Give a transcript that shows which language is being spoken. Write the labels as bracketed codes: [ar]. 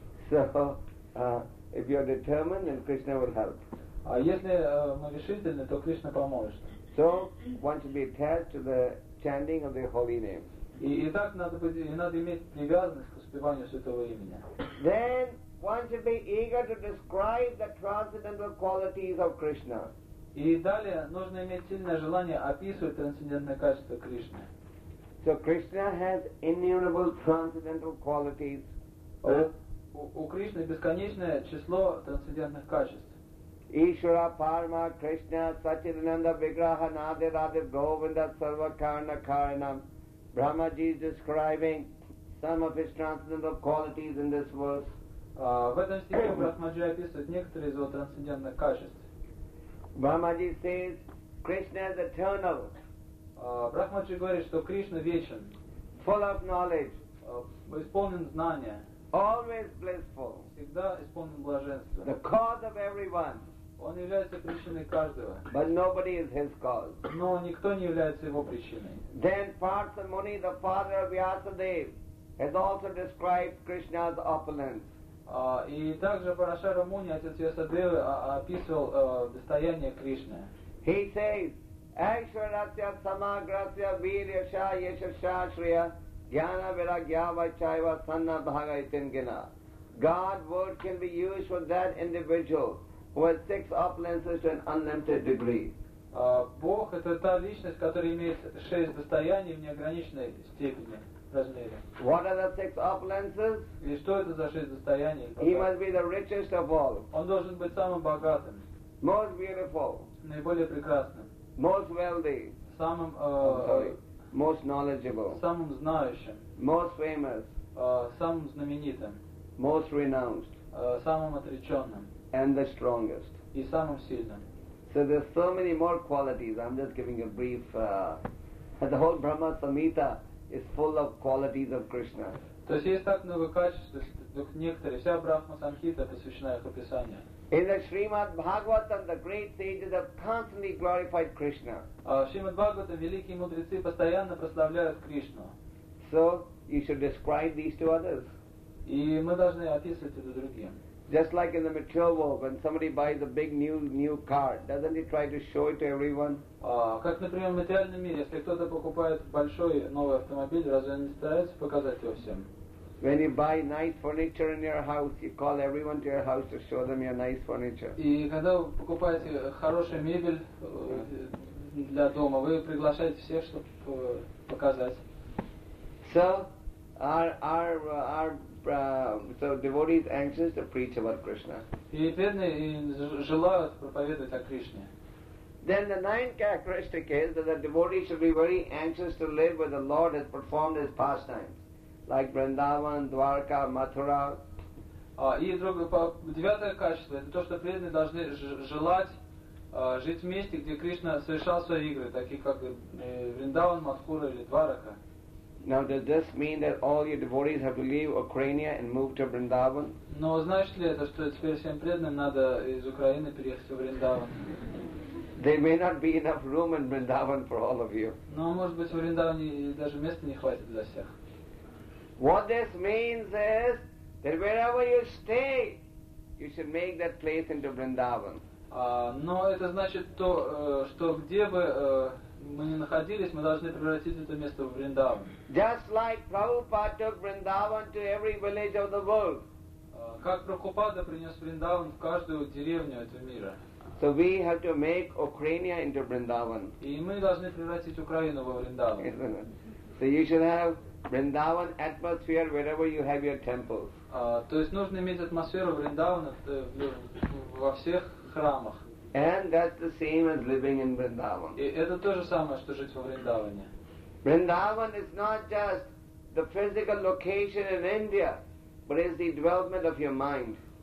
[en] So, if you are determined, then Krishna will help. [ru] Если мы решительны, то Кришна поможет. [en] So, one should be attached to the chanting of the holy names. [ru] И так надо иметь привязанность к успеванию святого имени. [en] Then one should be eager to describe the transcendental qualities of Krishna. [ru] И далее нужно иметь сильное желание описывать трансцендентные качества Кришны. [en] So Krishna has innumerable transcendental qualities. [ru] У Кришны бесконечное число трансцендентных качеств. [sa] Ishvara, Parma, Krishna, Satchidananda, Vigraha, Nadi, Radhe, Govinda, Sarva, Karna, Karanam. [en] Brahmaji is describing some of his transcendental qualities in this verse. [ru] В этом стихе Брахмаджи описывает некоторые из его трансцендентных качеств. [en] Брахмаджи says, Krishna is eternal. [ru] Брахмаджи говорит, что Кришна вечен. [en] Full of knowledge. [ru] Исполнен знания. [en] Always blissful. [ru] Всегда исполнен блаженства. [en] The cause of everyone. [ru] Он является причиной каждого. [en] But nobody is his cause. [ru] Но никто не является его причиной. [en] Then Parthamuni, the father of Vyasadeva, has also described Krishna's opulence. [ru] И также Парашара Муни, отец Вьясадевы, описывал достояние Кришны. [en] He says, [sa] Айшварасья самаграсья вирьяша ешашашрия дьяна вирагьява чайва санна бхагайтингина. [en] God word can be used for that individual who has six opulences to an unlimited degree. [ru] Бог — это та личность, которая имеет шесть достояний в неограниченной степени. [en] What are the six opulences? [ru] И что это за шесть достояний? [en] He must be the richest of all. [ru] Он должен быть самым богатым. [en] Most beautiful. [ru] Наиболее прекрасным. [en] Most wealthy. [ru] Самым. [en] Most knowledgeable. [ru] Самым знающим. [en] Most famous. [ru] Самым знаменитым. [en] Most renowned. [ru] Самым отреченным. [en] And the strongest. [ru] И самым сильным. [en] So there's so many more qualities. I'm just giving a brief. The whole Brahma Samhita. Is full of qualities of Krishna. [ru] То есть есть так много качеств, некоторые, вся Брахма Санхита посвящена их описанию. [en] In the Srimad Bhagavatam, the great sages have constantly glorified Krishna. [ru] Srimad Bhagavatam великие мудрецы постоянно прославляют Кришну. [en] So you should describe these to others. [ru] И мы должны описывать это другим. [en] Just like in the material world, when somebody buys a big new car, doesn't he try to show it to everyone? [ru] Как, например, в материальном мире, если кто-то покупает большой новый автомобиль, разве он не старается показать его всем? [en] When you buy nice furniture in your house, you call everyone to your house to show them your nice furniture. [ru] И когда вы покупаете хорошую мебель для дома, вы приглашаете всех, чтобы показать. [en] So, So devotee is anxious to preach about Krishna. [ru] И преданные желают проповедовать о Кришне. [en] Then the ninth characteristic is that the devotee should be very anxious to live where the Lord has performed his pastimes, like Vrindavan, Dwarka, Mathura. [ru] И девятое качество это то, что преданные должны желать жить в месте, где Кришна совершал свои игры, такие как Вриндаван, Мадхура или Дварака. [en] Now, does this mean that all your devotees have to leave Ukraine and move to Vrindavan? [ru] Но значит ли это, что теперь всем преданным надо из Украины переехать в Вриндаван? [en] There may not be enough room in Vrindavan for all of you. [ru] Но может быть в Вриндаване даже места не хватит для всех. [en] What this means is that wherever you stay, you should make that place into Vrindavan. [ru] Но это значит то, что где бы мы не находились, мы должны превратить это место в Вриндаван. [en] Just like Prabhupada took Vrindavan to every village of the world. [ru] Как Прабхупада принес Вриндаван в каждую деревню этого мира. [en] So we have to make Ukraine into Vrindavan. [ru] И мы должны превратить Украину во Вриндаван. [en] So you should have Vrindavan atmosphere wherever you have your temples. [ru] То есть нужно иметь атмосферу Вриндавана во всех храмах. [en] And that's the same as living in Vrindavan. [ru] И это то же самое, что жить во Вриндаване. [en] Vrindavan is not just the physical location in India, but it's the development of your mind.